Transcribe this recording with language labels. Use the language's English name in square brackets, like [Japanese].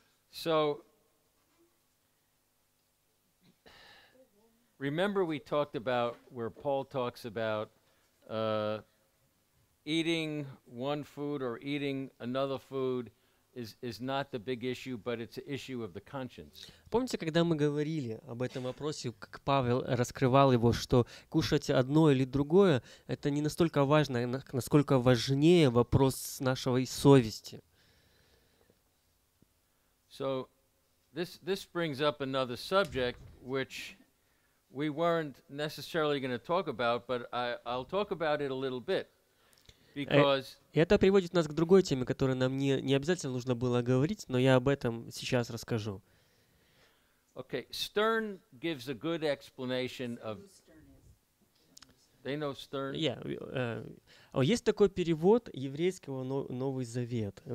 [English] So remember we talked about where Paul talks about eating one food or eating another food is not the big issue, but it's an issue of the conscience. [Russian] Помните, когда мы говорили об этом вопросе, как Павел раскрывал его, что кушать одно или другое — это не настолько важно, насколько важнее вопрос нашего совести. [English] So this brings up another subject, which we weren't necessarily going to talk about, but I'll talk about it a little bit. [Russian] Это приводит нас к другой теме, которую нам не обязательно нужно было говорить, но я об этом сейчас расскажу. [English] Okay, Stern gives a good explanation of. They know Stern. Yeah. [Russian] Есть такой перевод еврейского Новый Завет.